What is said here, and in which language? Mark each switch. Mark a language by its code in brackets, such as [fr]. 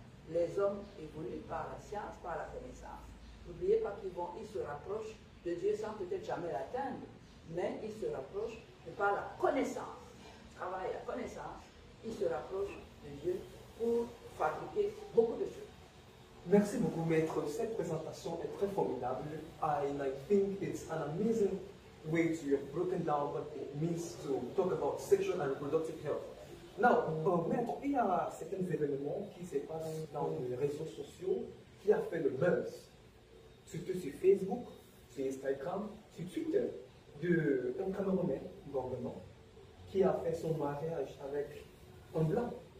[fr] Les hommes évoluent par la science, par la connaissance. N'oubliez pas qu'ils vont, ils se rapprochent de Dieu sans peut-être jamais l'atteindre, mais ils se rapprochent par la connaissance. Travail, la connaissance, ils se rapprochent de Dieu pour fabriquer beaucoup de choses. Merci beaucoup, maître. Cette présentation est très formidable. [en] I think it's an amazing way to have broken down what it means to talk about sexual and reproductive health. [fr] Now, maître, il y a certains événements qui se passent dans les réseaux sociaux qui a fait le buzz, surtout sur Facebook, sur Instagram, sur Twitter, d'un Camerounais, Gorgonon, qui a fait son mariage avec un blanc.